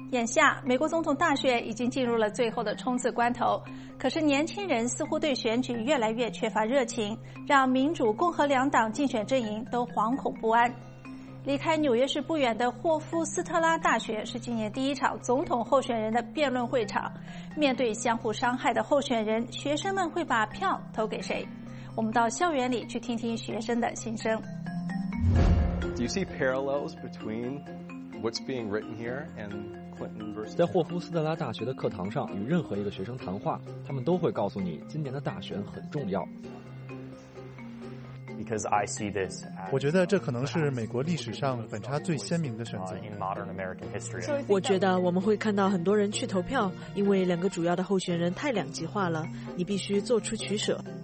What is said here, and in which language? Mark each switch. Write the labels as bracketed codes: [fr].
[zh] 眼下，美国总统大选已经进入了最后的冲刺关头，可是年轻人似乎对选举越来越缺乏热情，让民主、共和两党竞选阵营都惶恐不安。离开纽约市不远的霍夫斯特拉大学是今年第一场总统候选人的辩论会场。面对相互伤害的候选人，学生们会把票投给谁？我们到校园里去听听学生的心声。 [en] Do you see parallels between what's being written here and Clinton versus? [zh] 在霍夫斯特拉大学的课堂上与任何一个学生谈话，他们都会告诉你今年的大选很重要。 [en] Because I see this. [zh] 我觉得这可能是美国历史上反差最鲜明的选择。 [en] In modern American history. [zh] 我觉得我们会看到很多人去投票，因为两个主要的候选人太两极化了，你必须做出取舍。